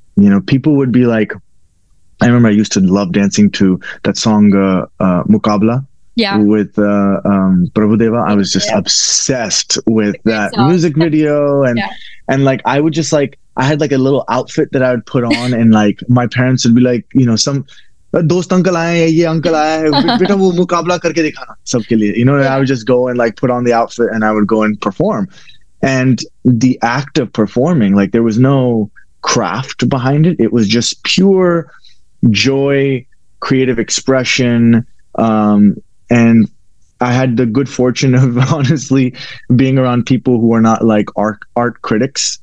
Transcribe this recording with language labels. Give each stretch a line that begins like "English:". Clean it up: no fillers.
English: You know, people would be like, I remember I used to love dancing to that song, Mukabla, with Prabhudeva. I was just obsessed with that music video. And, and like, I would just like, I had like a little outfit that I would put on, and like, my parents would be like, you know, some,
Hindi: दोस्त uncle आए हैं, ये uncle आया है, बेटा वो मुकाबला करके दिखाना सबके लिए.
English: You know, yeah. I would just go and like put on the outfit and I would go and perform. And the act of performing, like there was no craft behind it. It was just pure joy, creative expression. And I had the good fortune of honestly being around people who are not like art critics.